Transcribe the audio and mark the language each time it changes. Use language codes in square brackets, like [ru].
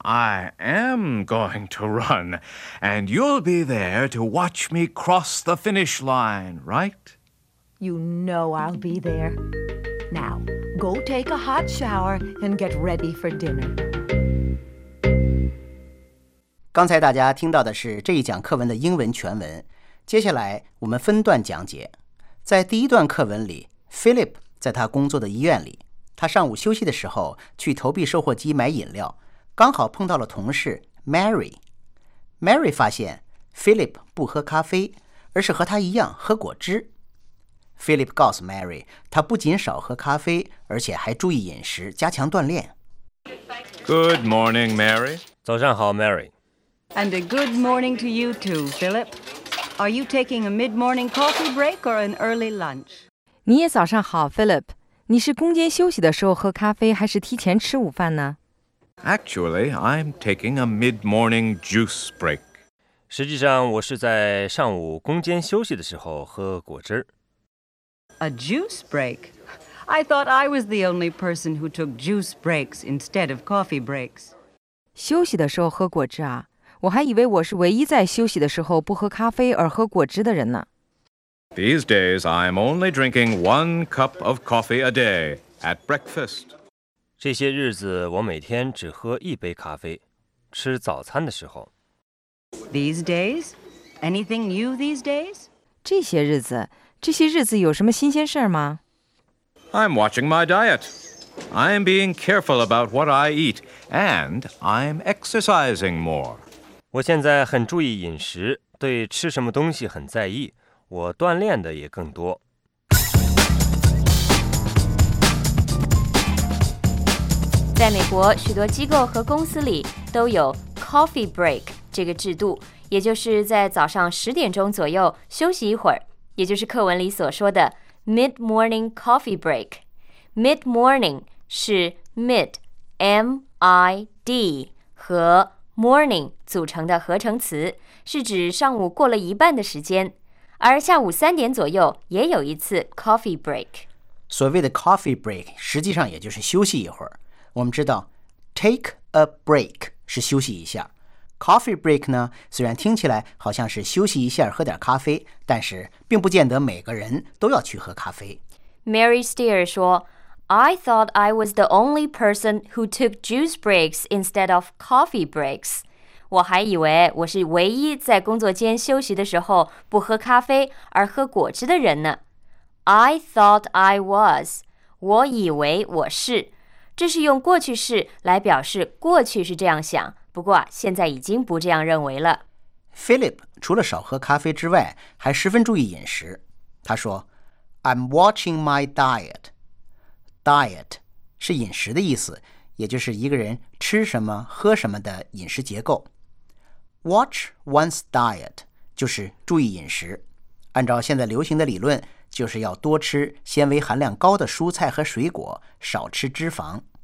[en] I am going to run. And you'll be there to watch me cross the finish line, right? You know I'll be there. Now, go take a hot shower and get ready for dinner. [zh] 刚才大家听到的是这一讲课文的英文全文。接下来我们分段讲解。在第一段课文里， Philip 在他工作的医院里，他上午休息的时候去投币售货机买饮料，刚好碰到了同事 Mary。 Mary 发现 Philip 不喝咖啡，而是和他一样喝果汁。 Philip 告诉 Mary 他不仅少喝咖啡，而且还注意饮食，加强锻炼。 [en] Good morning, Mary. [zh] 早上好 Mary. [en] And a good morning to you too, Philip. Are you taking a mid-morning coffee break or an early lunch? [zh] 你也早上好 Philip. 你是工间休息的时候喝咖啡还是提前吃午饭呢？ [en] Actually, I'm taking a mid-morning juice break. [zh] 实际上我是在上午工间休息的时候喝果汁。 [en] A juice break? I thought I was the only person who took juice breaks instead of coffee breaks. [zh] 休息的时候喝果汁啊？我还以为我是唯一在休息的时候不喝咖啡而喝果汁的人呢。 [en] These days, I'm only drinking one cup of coffee a day at breakfast. [zh] 这些日子我每天只喝一杯咖啡，吃早餐的时候。 [en] These days? Anything new these days? [zh] 这些日子有什么新鲜事吗？ [en] I'm watching my diet. I'm being careful about what I eat, and I'm exercising more. [zh] 我现在很注意饮食，对吃什么东西很在意，我锻炼的也更多。在美国，许多机构和公司里都有 coffee break 这个制度，也就是在早上10点钟左右休息一会儿，也就是课文里所说的 mid-morning coffee break。 mid-morning 是 mid M-I-D 和morning 组成的合成词，是指上午过了一半的时间，而下午3点左右也有一次 coffee break。所谓的 coffee break 实际上也就是休息一会儿。我们知道 take a break 是休息一下， coffee break 呢虽然听起来好像是休息一下喝点咖啡，但是并不见得每个人都要去喝咖啡。 [en] Mary Steer 说，I thought I was the only person who took juice breaks instead of coffee breaks. [zh] 我还以为我是唯一在工作间休息的时候不喝咖啡而喝果汁的人呢。 [en] I thought I was. 我以为我是。 [zh] 这是用过去式来表示过去是这样想，不过现在已经不这样认为了。 Philip 除了少喝咖啡之外，还十分注意饮食。 [en] 他说 I'm watching my diet. [zh] Diet 是饮食的意思，也就是一个人吃什么喝什么的饮食结构。 Watch one's diet 就是注意饮食，按照现在流行的理论，就是要多吃纤维含量高的蔬菜和水果，少吃脂肪。